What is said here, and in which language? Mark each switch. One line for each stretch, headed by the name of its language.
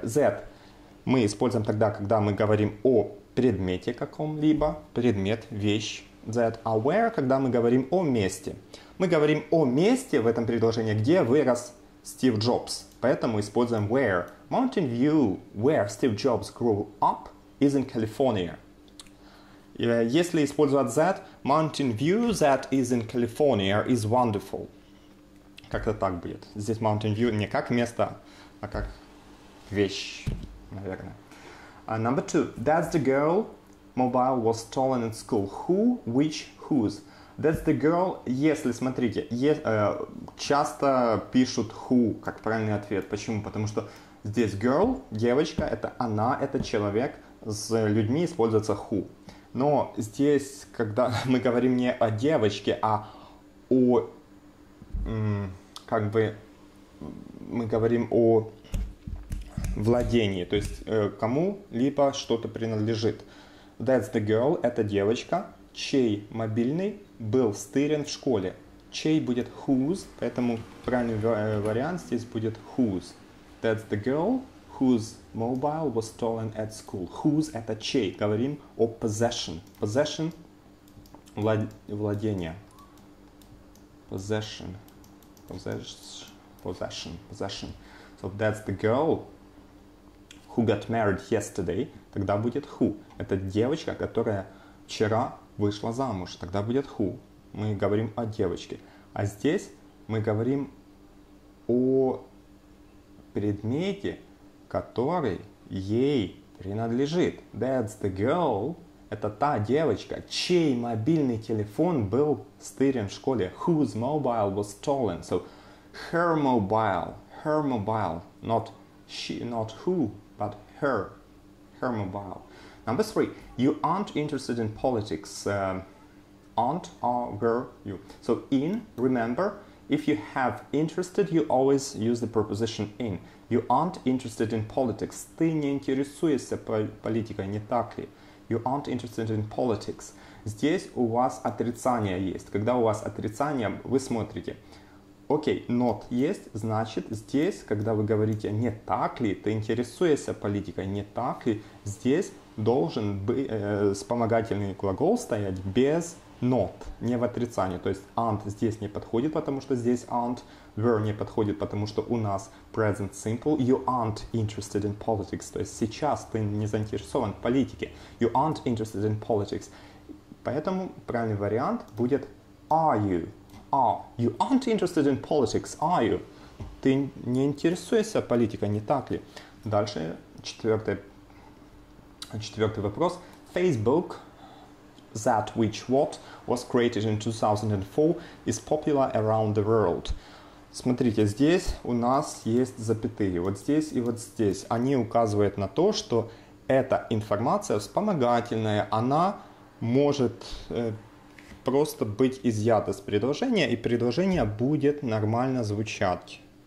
Russian: That мы используем тогда, когда мы говорим о предмете каком-либо, предмет, вещь. That, а where — когда мы говорим о месте. Мы говорим о месте в этом предложении, где вырос Стив Джобс, поэтому используем where.
English: Mountain view where Steve Jobs grew up is in California.
Russian: Если использовать
English: that, mountain view that is in California is wonderful.
Russian: Как-то так будет. Здесь mountain view не как место, а как вещь, наверное.
English: Number two. That's the girl mobile was stolen in school. Who, which, whose? That's the girl,
Russian: если, смотрите, часто пишут who как правильный ответ. Почему? Потому что здесь girl, девочка, это она, это человек, с людьми используется who. Но здесь, когда мы говорим не о девочке, а о, как бы, мы говорим о владении, то есть кому-либо что-то принадлежит.
English: That's the girl,
Russian: это девочка, чей мобильный был стырен в школе. Чей будет whose, поэтому правильный вариант здесь будет whose.
English: That's the girl whose mobile was stolen at school.
Russian: Whose – это чей. Говорим о possession. Possession – владение. Possession.
English: Possession. Possession. So that's the girl who got married yesterday.
Russian: Тогда будет who. Это девочка, которая вчера вышла замуж. Тогда будет who. Мы говорим о девочке. А здесь мы говорим о предмете, который ей принадлежит.
English: That's the girl.
Russian: Это та девочка, чей мобильный телефон был стырен в школе.
English: Whose mobile was stolen. So, her mobile. Her mobile. Not she, not who, but her. Her mobile. Number three. You aren't interested in politics. Aren't or were you? So, in, remember, if you have interested, you always use the preposition in. You aren't interested in politics.
Russian: Ты не интересуешься политикой, не так ли?
English: You aren't interested in politics.
Russian: Здесь у вас отрицание есть. Когда у вас отрицание, вы смотрите. Окей, not есть, значит, здесь, когда вы говорите «не так ли?», ты интересуешься политикой, не так ли? Здесь должен вспомогательный глагол стоять без not, не в отрицании. То есть aren't здесь не подходит, потому что здесь aren't. Were не подходит, потому что у нас present simple.
English: You aren't interested in politics.
Russian: То есть сейчас ты не заинтересован в политике.
English: You aren't interested in politics.
Russian: Поэтому правильный вариант будет are you.
English: Are you aren't interested in politics, are you?
Russian: Ты не интересуешься политикой, не так ли? Дальше четвертый вопрос.
English: Facebook, that which what was created in 2004, is popular around the world.
Russian: Смотрите, здесь у нас есть запятые, вот здесь и вот здесь. Они указывают на то, что эта информация вспомогательная, она может просто быть изъята с предложения, и предложение будет нормально звучать.